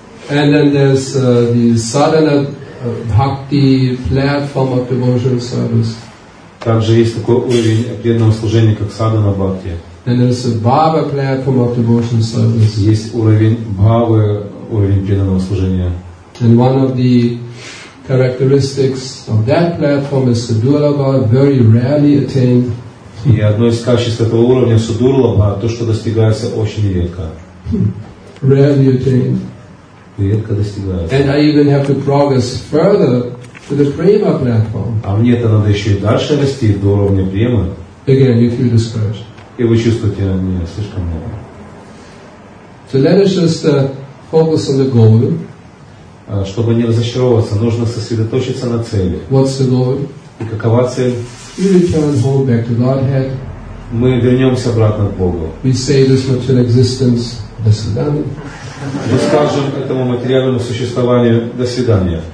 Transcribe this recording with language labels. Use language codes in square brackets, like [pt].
[en] And then there's the sadhana bhakti platform of devotional service. [ru] Также есть такой уровень преданного служения, как sadhana bhakti. [en] Then there's a bhava platform of devotional service. [ru] Есть уровень bhava, уровень преданного служения. [en] And one of the characteristics of that platform is sudurlabha, very rarely attained. [ru] И одно из качеств этого уровня судурлабха, то, что достигается очень редко. [en] Rarely attained. [ru] Редко достигается. [en] And I even have to progress further to the prema platform. [ru] А мне это надо еще и дальше расти до уровня премы. [en] Again, you feel discouraged. [ru] И вы чувствуете, не слишком много. [en] So let us just focus on the goal. [ru] Чтобы не разочаровываться, нужно сосредоточиться на цели. [en] What's the goal? [ru] И какова цель? [en] We return home back to Godhead. [ru] Мы вернемся обратно к Богу. [en] We say this material existence, [ru] до свидания. Мы скажем этому материальному существованию до свидания.